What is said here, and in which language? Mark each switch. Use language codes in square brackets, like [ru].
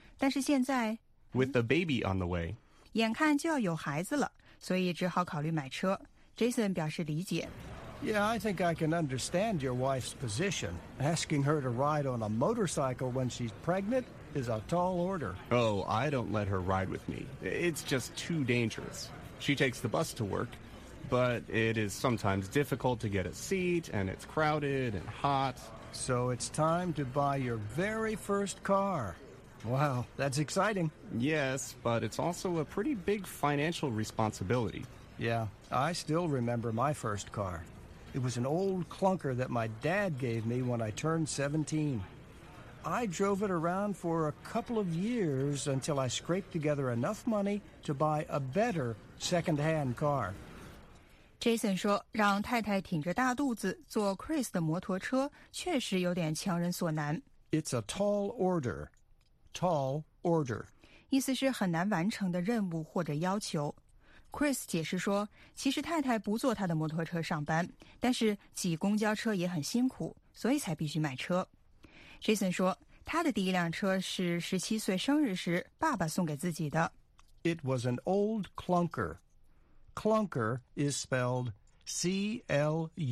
[zh] 但是现在 [en] With the baby on the way. [zh] 眼看就要有孩子了，所以只好考虑买车。 Jason 表示理解。 [en] Yeah, I think I can understand your wife's position. Asking her to ride on a motorcycle when she's pregnant is a tall order. Oh, I don't let her ride with me. It's just too dangerous. She takes the bus to work, but it is sometimes difficult to get a seat, and it's crowded and hot. So it's time to buy your very first car. Wow, that's exciting. Yes, but it's also a pretty big financial responsibility. Yeah, I still remember my first car. It was an old clunker that my dad gave me when I turned 17. I drove it around for a couple of years until I scraped together enough money to buy a better second-hand car. [zh] Jason 说，让太太挺着大肚子坐 Chris 的摩托车确实有点强人所难。 [en] It's a tall order. Tall order. [zh] 意思是很难完成的任务或者要求。Chris 解释说，其实太太不坐他的摩托车上班，但是挤公交车也很辛苦，所以才必须买车。 Jason 说，他的第一辆车是17岁生日时爸爸送给自己的。 [en] It was an old clunker. Clunker is spelled C-L-U-N-K-E-R.